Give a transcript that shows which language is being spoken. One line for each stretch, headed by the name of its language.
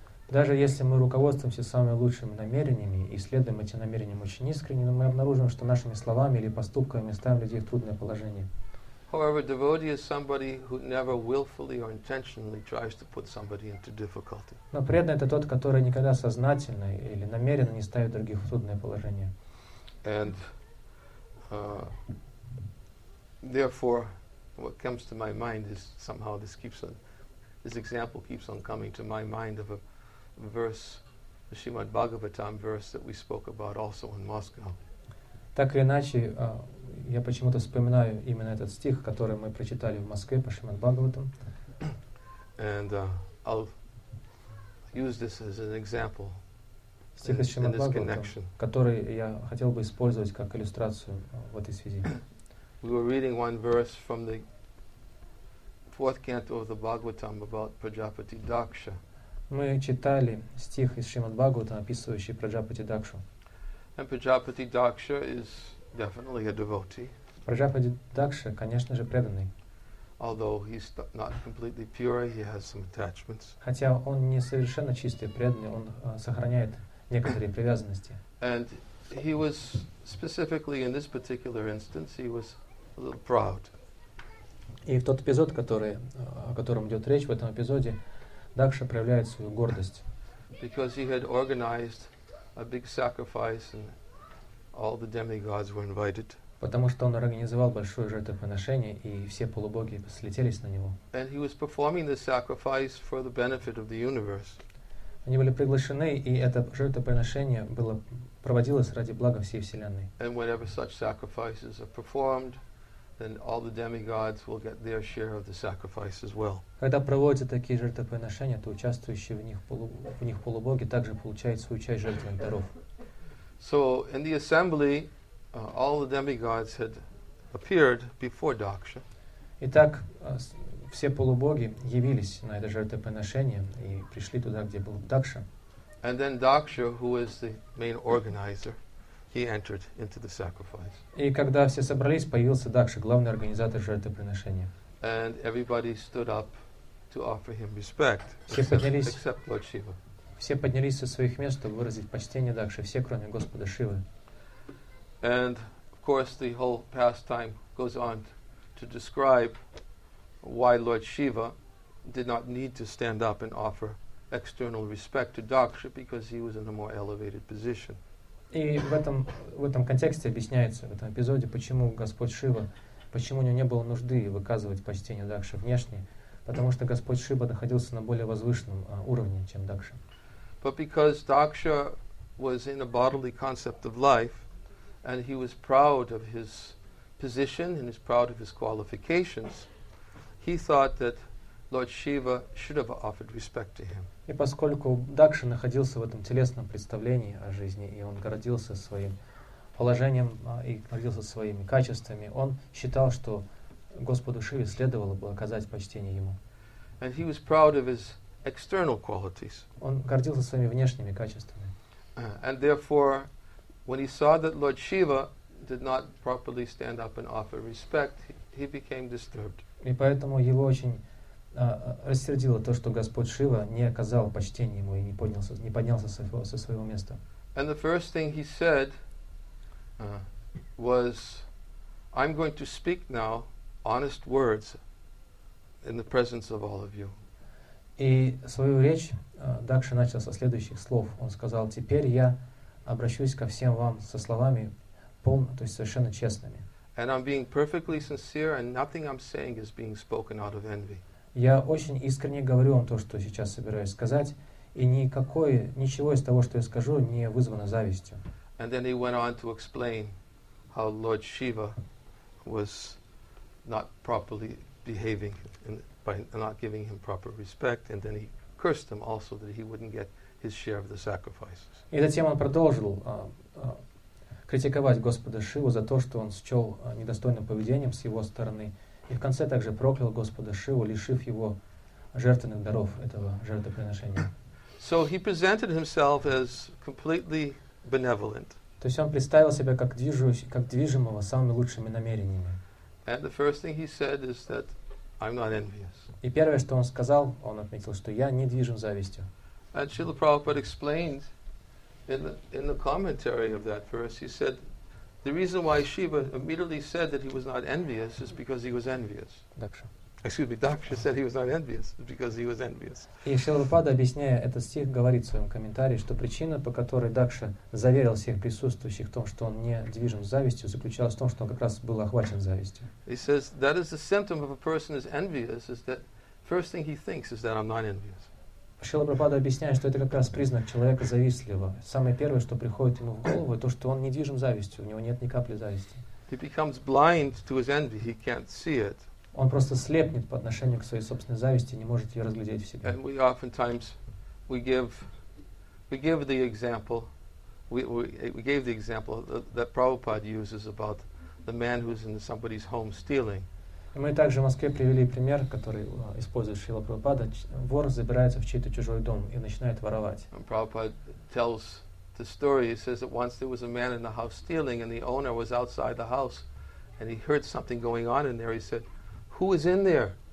Russian: Даже если мы руководствуемся самыми лучшими намерениями и следуем этим намерениям очень искренне, но мы обнаружим, что нашими словами или поступками ставим людей в трудное положение.
English: However, devotee is somebody who never willfully or intentionally tries to put somebody into difficulty.
Russian: Но преданный — это тот, который никогда сознательно или намеренно не ставит других в трудное положение.
English: And therefore, what comes to my mind is somehow this example keeps on coming to my mind of a verse, the Srimad Bhagavatam verse that we spoke about also in Moscow.
Russian: Так или иначе, я почему-то вспоминаю именно этот стих, который мы прочитали в Москве по Шримад Бхагаватам.
English: And I'll use this as an example.
Russian: Стих из Шримад Бхагаватам, который я хотел бы использовать как иллюстрацию в этой связи.
English: We were reading one verse from the fourth canto of the Bhagavatam about Prajapati Daksha.
Russian: Мы читали стих из Шримад Бхагавата, описывающий Праджапати Дакшу.
English: And Prajapati Daksha is definitely a devotee.
Russian: Праджапати Дакша, конечно же, преданный.
English: Although he's not completely pure, he has some attachments.
Russian: Хотя он не совершенно чистый преданный, он сохраняет некоторые привязанности.
English: And he was specifically in this particular instance, he was a little proud.
Russian: И в тот эпизод, о котором идет речь в этом эпизоде, Дакша проявляет свою гордость.
English: Because he had organized a big sacrifice and all the demigods were invited.
Russian: Потому что он организовал большое жертвоприношение, и все полубоги слетелись на него.
English: And he was performing the sacrifice for the benefit of the universe.
Russian: Они были приглашены, и это жертвоприношение проводилось ради блага всей Вселенной.
English: And whenever such sacrifices are performed, then all the demigods will get their share of the sacrifice as well.
Russian: Когда проводятся такие жертвоприношения, то участвующие в них полубоги также получают свою часть жертвенных даров.
English: So in the assembly, all the demigods had appeared before Daksha.
Russian: Итак, все полубоги явились на это жертвоприношение и пришли туда, где был Дакша.
English: And then Daksha, who is the main organizer, he entered into the sacrifice.
Russian: И когда все собрались, появился Дакша, главный организатор жертвоприношения.
English: And everybody stood up to offer him respect.
Russian: Все поднялись,
English: except Lord Shiva.
Russian: Все поднялись со своих мест, чтобы выразить почтение Дакше, все кроме Господа Шивы.
English: And of course the whole pastime goes on to describe why Lord Shiva did not need to stand up and offer external respect to Daksha because he was in a more elevated position.
Russian: И в этом контексте объясняется, в этом эпизоде, почему Господь Шива, почему у него не было нужды выказывать почтение Дакше внешне, потому что Господь Шива находился на более возвышенном уровне, чем Дакша.
English: But because Daksha was in a bodily concept of life and he was proud of his position and he's proud of his qualifications, he thought that Lord Shiva should have offered respect to him.
Russian: И поскольку Дакша находился в этом телесном представлении о жизни, и он гордился своим положением и гордился своими качествами, он считал, что Господу Шиве следовало бы оказать почтение ему.
English: And he was proud of his external qualities.
Russian: Он гордился своими внешними качествами.
English: And therefore, when he saw that Lord Shiva did not properly stand up and offer respect, he became disturbed.
Russian: И поэтому его очень рассердило то, что Господь Шива не оказал почтения ему и не поднялся со своего места.
English: And the first thing he said was, I'm going to speak now honest words in the presence of all of you.
Russian: И свою речь Дакша начал со следующих слов. Он сказал, теперь я обращусь ко всем вам со словами то есть совершенно честными.
English: And I'm being perfectly sincere, and nothing I'm saying is being spoken out of envy.
Russian: Я очень искренне говорю вам то, что сейчас собираюсь сказать, и ничего из того, что я скажу, не вызвано завистью.
English: And then he went on to explain how Lord Shiva was not properly behaving by not giving him proper respect, and then he cursed him also that he wouldn't get his share of the sacrifices.
Russian: И затем он продолжил критиковать Господа Шиву за то, что он счел недостойным поведением с его стороны, и в конце также проклял Господа Шиву, лишив его жертвенных даров этого жертвоприношения.
English: So he presented himself as completely benevolent.
Russian: То есть он представил себя как движимого самыми лучшими намерениями.
English: And the first thing he said is that I'm not envious.
Russian: И первое, что он сказал, он отметил, что я не движим завистью.
English: And Srila Prabhupada explained in the commentary of that verse, he said, the reason why Shiva immediately said that he was not envious is because he was envious. Daksha said he was not envious because he was envious.
Russian: И Srila Prabhupada, объясняя этот стих, говорит в своем комментарии, что причина, по которой Дакша заверил всех присутствующих в том, что он не движим завистью, заключалась в том, что он как раз был охвачен завистью.
English: He says that is the symptom of a person is envious is that first thing he thinks is that I'm not envious.
Russian: Шрила Прабхупада объясняет, что это как раз признак человека завистливого. Самое первое, что приходит ему в голову, то, что он не движим завистью, у него нет ни капли зависти.
English: He becomes blind to his envy, he can't see it.
Russian: Он просто слепнет по отношению к своей собственной зависти, не может ее разглядеть в себе.
English: And we oftentimes we gave the example that Prabhupada uses about the man who's in somebody's home stealing.
Russian: И мы также в Москве привели пример, который использует Шрила Прабхупада. Вор забирается в чей-то чужой дом и начинает воровать.
English: And Prabhupada tells the story. He says that once there was a man in the house stealing, and the owner was outside the house, and he heard something going on in there. He said, "Who is in there?"